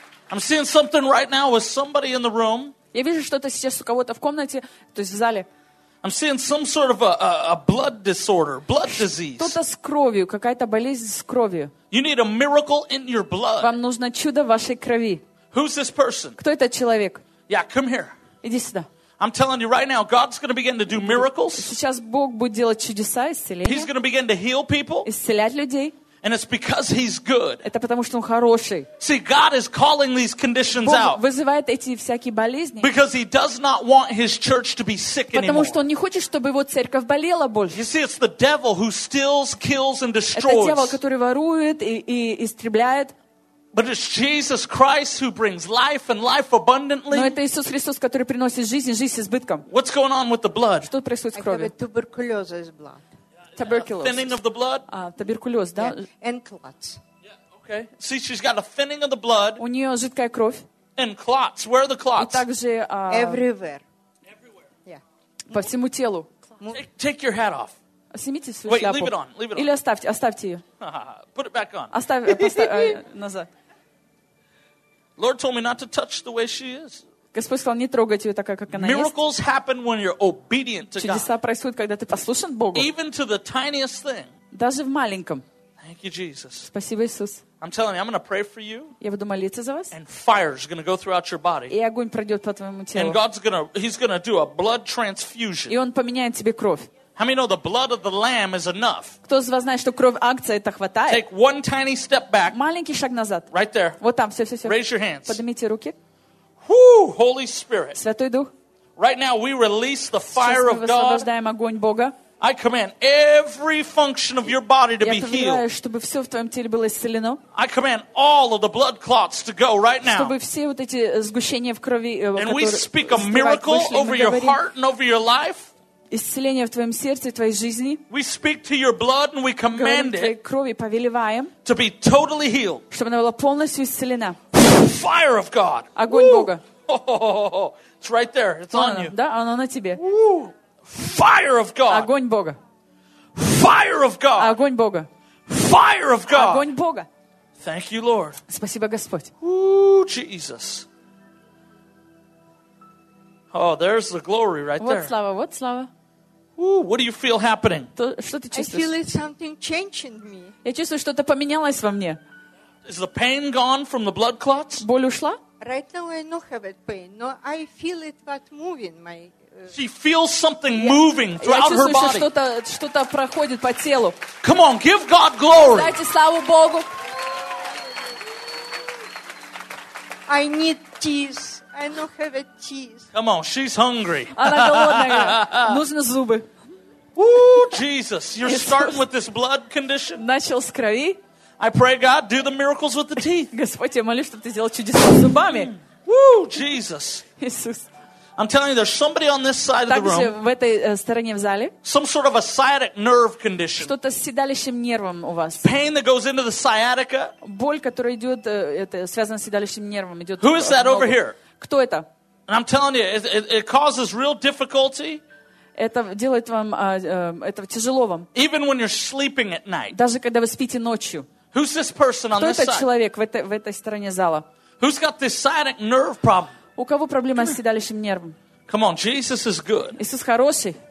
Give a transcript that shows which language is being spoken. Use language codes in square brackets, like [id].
[en] I'm seeing something right now with somebody in the room. [ru] Я вижу что-то сейчас у кого-то в комнате, то есть в зале. [en] I'm seeing some sort of a blood disorder, blood disease. [ru] Что-то с кровью, какая-то болезнь с кровью. [en] You need a miracle in your blood. [ru] Вам нужно чудо в вашей крови. [en] Who's this person? [ru] Кто этот человек? [en] Yeah, come here. [ru] Иди сюда. [en] I'm telling you right now, God's going to begin to do miracles. [ru] Сейчас Бог будет делать чудеса, исцеления. [en] He's going to begin to heal people. [ru] Исцелять людей. [en] And it's because He's good. [ru] Это потому что Он хороший. [en] See, God is calling these conditions out. [ru] Бог вызывает эти всякие болезни. [en] Because He does not want His church to be sick anymore. [ru] Потому что Он не хочет, чтобы Его церковь болела больше. [en] You see, it's the devil who steals, kills, and destroys. [ru] Это дьявол, который ворует и истребляет. [en] But it's Jesus Christ who brings life and life abundantly. [ru] Но это Иисус Христос, который приносит жизнь и жизнь с избытком. [en] What's going on with the blood? [ru] Что происходит с кровью? [en] Tuberculosis is blood. Tuberculosis. Thinning of the blood? Tuberculosis, да? Yeah. And clots. Yeah, okay. See, she's got a thinning of the blood. [ru] У нее жидкая кровь. [en] And clots. Where are the clots? [ru] И также [en] everywhere. Everywhere. [ru] Yeah. По всему телу. [en] Take your hat off. [ru] Снимите свою [en] Wait, [ru] шляпу. [en] Leave it on, leave it on. [ru] Или оставьте ее. [en] Put it back on. [ru] Назад. [en] Lord told me not to touch the way she is. [ru] Господь сказал, не трогать ее такая, как она [en] Miracles [ru] есть. [en] Happen when you're obedient to [ru] Чудеса [en] God. [ru] Происходят, когда ты послушен Богу. [en] Even to the tiniest thing. [ru] Даже в маленьком. [en] Thank you, Jesus. [ru] Спасибо, Иисус. [en] I'm telling you, I'm going to pray for you. [ru] Я буду молиться за вас. [en] And fire is going to go throughout your body. [ru] И огонь пройдет по твоему телу. [en] And God's going to, He's going to do a blood transfusion. [ru] И Он поменяет тебе кровь. [en] How many know the blood of the lamb is enough? [ru] Кто из вас знает, что кровь агнца это хватает? [en] Take one tiny step back. [ru] Маленький шаг назад. [en] Right there. [ru] Вот там, все. [en] Raise your hands. [ru] Поднимите руки. [en] Whoo, Holy Spirit. [ru] Святой Дух. [en] Right now we release the fire of God. [ru] Сейчас мы высвобождаем огонь Бога. [en] I command every function of your body to be healed. [ru] Я повелеваю, чтобы все в твоем теле было исцелено. [en] I command all of the blood clots to go right now. [ru] Чтобы все вот эти сгущения в крови, которые [en] And we speak a miracle over your heart and over your life. [ru] Исцеление в твоем сердце, в твоей жизни. [en] We speak to your blood and we command [ru] it. Крови повелеваем. [en] To be totally healed. [ru] Чтобы она была полностью исцелена. [en] Fire of God. [ru] Огонь Бога. [en] It's right there. It's on you. [ru] Да, оно на тебе. [en] Fire of God. [ru] Огонь Бога. [en] Fire of God. [ru] Огонь Бога. [en] Fire of God. [ru] Огонь Бога. [en] Thank you, Lord. [ru] Спасибо, Господь. [en] Jesus. Oh, there's the glory right [ru] вот [en] there. [ru] Слава, вот слава. [en] Ooh, what do you feel happening? [ru] Что ты чувствуешь? [en] I feel something changing me. [ru] Я чувствую, что-то поменялось во мне. [en] Is the pain gone from the blood clots? [ru] Боль ушла? [en] Right now I don't have that pain, no, I feel it but moving my. She feels something moving throughout her body. [ru] Я чувствую, что что-то проходит по телу. [en] Come on, give God glory. [ru] Дайте славу Богу. [en] I need tears. I don't have a cheese. Come on, she's hungry. [ru] Нужны зубы. [en] Woo, Jesus, you're starting with this blood condition. [ru] Начал с крови. [en] I pray God do the miracles with the teeth. [ru] Господь, я молюсь, чтобы ты сделал чудеса с зубами. [en] Woo, Jesus. [ru] Иисус. [en] I'm telling you, there's somebody on this side [ru] Также [en] of the room. [ru] В этой стороне в зале. [en] Some sort of a sciatic nerve condition. [ru] Что-то с седалищным нервом у вас. [en] Pain that goes into the sciatica. [ru] Боль, которая идет, это связано с седалищным нервом, идет. [en] Who is that over here? [ru] Кто это? [en] And I'm telling you, it causes real difficulty. [ru] Это делает вам это тяжело вам. [en] Even when you're sleeping at night. [ru] Даже когда вы спите ночью. [en] Who's this person on [ru] Кто [en] this side? [ru] Кто этот человек в этой стороне зала? [en] Who's got this sciatic nerve problem? [ru] У кого проблема с седалищным нервом? [en] Come on, Jesus is good. [ru] Иисус хороший.